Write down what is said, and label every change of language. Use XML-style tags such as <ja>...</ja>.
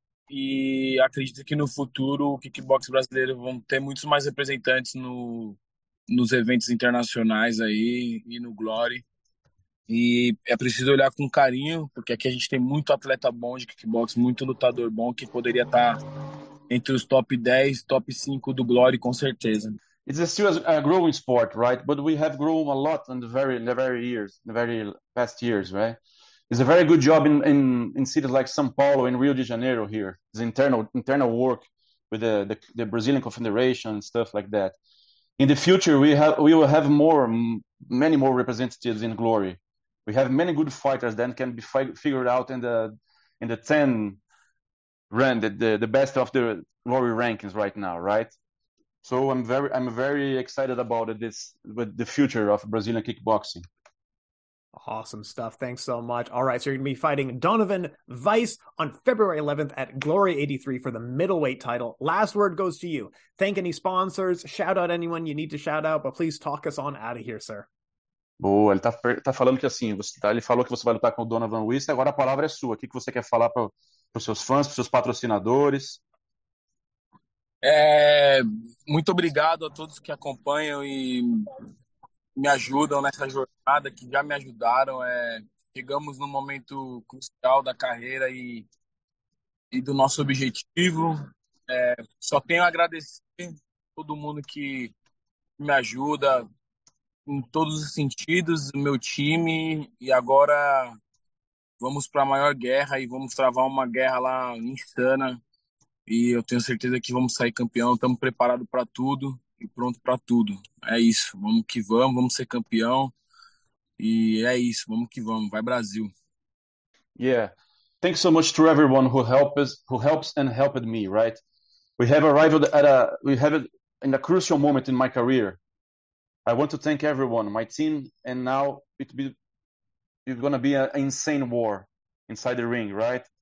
<pt>E acredito que no futuro o kickbox brasileiro vão ter muitos mais representantes no, nos eventos internacionais aí e no Glory. E é preciso olhar com carinho, porque aqui a gente tem muito atleta bom de kickbox, muito lutador bom que poderia estar entre os top 10, top 5 do Glory com certeza.</pt> <en>It's still a growing sport, right? But we have grown a lot in the very years, the very past years, right? It's a very good job in cities like São Paulo and Rio de Janeiro here. It's internal work with the Brazilian Confederation and stuff like that. In the future, we will have many more representatives in Glory. We have many good fighters that can be figured out in the 10 rank, the best of the Glory rankings right now, right? So I'm very excited about it, this with the future of Brazilian kickboxing. Awesome stuff. Thanks so much. All right, so you're going to be fighting Donovan Weiss on February 11th at Glory 83 for the middleweight title. Last word goes to you. Thank any sponsors, shout out anyone you need to shout out, but please talk us on out of here, sir.</en> <pt>Boa, ele tá falando que assim, ele falou que você vai lutar com o Donovan Weiss, agora a palavra é sua. O que você quer falar para os seus fãs, para os seus patrocinadores? Muito obrigado a todos que acompanham e me ajudam nessa jornada, que já me ajudaram. Chegamos num momento crucial da carreira e do nosso objetivo. Só tenho a agradecer a todo mundo que me ajuda em todos os sentidos, o meu time, e agora vamos para a maior guerra e vamos travar uma guerra lá insana. E eu tenho certeza que vamos sair campeão, estamos preparados para tudo e pronto para tudo. É isso, vamos que vamos ser campeão. E é isso, vamos que vamos, vai Brasil.</pt> <en>Yeah. Thank you so much to everyone who helps and helped me, right? We have arrived at a in a crucial moment in my career. I want to thank everyone, my team, and now it's going to be an insane war inside the ring, right?</en>